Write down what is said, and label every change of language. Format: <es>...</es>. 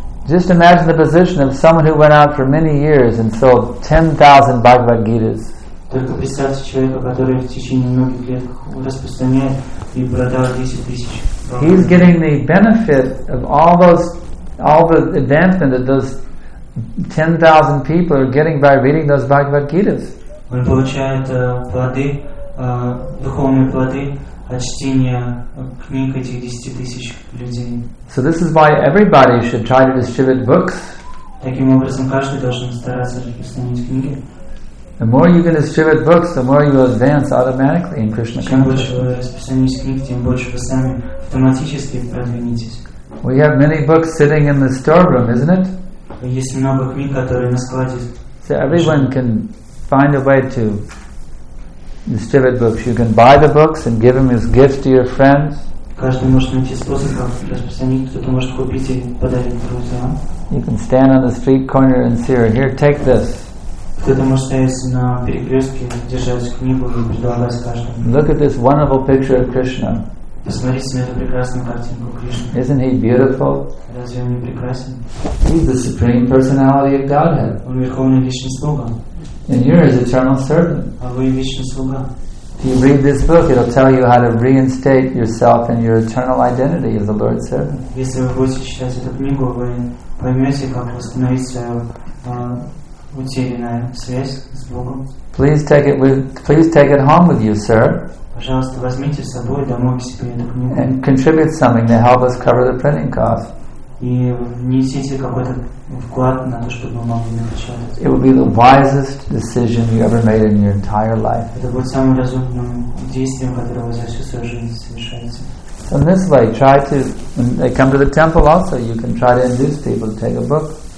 <en>Just imagine the position of someone who went out for many years and sold 10,000 Bhagavad Gitas.</en> <ru>Только представьте человека, который в течение многих лет распространяет и продал 10,000.</ru> <en>He's getting the benefit of all the advancement that those 10,000 people are getting by reading those Bhagavad Gitas.</en> <ru>Он получает плоды, духовные плоды от чтения книг этих 10,000 людей.</ru> <en>So this is why everybody should try to distribute books.</en> <ru>Таким образом, каждый должен стараться распространять книги.</ru> <en>The more you can distribute books, the more you advance automatically in Krishna consciousness. We have many books sitting in the storeroom, isn't it? So everyone can find a way to distribute books. You can buy the books and give them as gifts to your friends. You can stand on the street corner and say, here, take this.</en> <ru>Кто-то может стоять на перекрестке, держать книгу и предлагать каждому.</ru> <en>Look at this wonderful picture of Krishna.</en> <ru>Посмотрите на эту прекрасную картинку Кришны.</ru> <en>Isn't he beautiful?</en> <ru>Разве он не прекрасен?</ru> <en>He's the supreme personality of Godhead.</en> <ru>Он верховный личный слуга.</ru> <en>And you're his eternal servant.</en> <ru>А вы личный слуга.</ru> <en>If you read this book, it'll tell you how to reinstate yourself in your eternal identity as the Lord's servant.</en> <ru>Если вы будете читать эту книгу, вы поймете, как восстановить свою</ru> <en>Please take it with. Please take it home with you, sir.</en> <ru>Пожалуйста, возьмите с собой домой себе эту книгу.</ru> <en>And contribute something to help us cover the printing costs.</en> <ru>И внесите какой-то вклад на то, чтобы мы могли напечатать.</ru> <en>It would be the wisest decision you ever made in your entire life.</en> <ru>Это будет самым разумным действием, которое вы за всю свою жизнь совершаете.</ru> <en>So in this way, try to. When they come to the temple, also you can try to induce people to take a book.</en>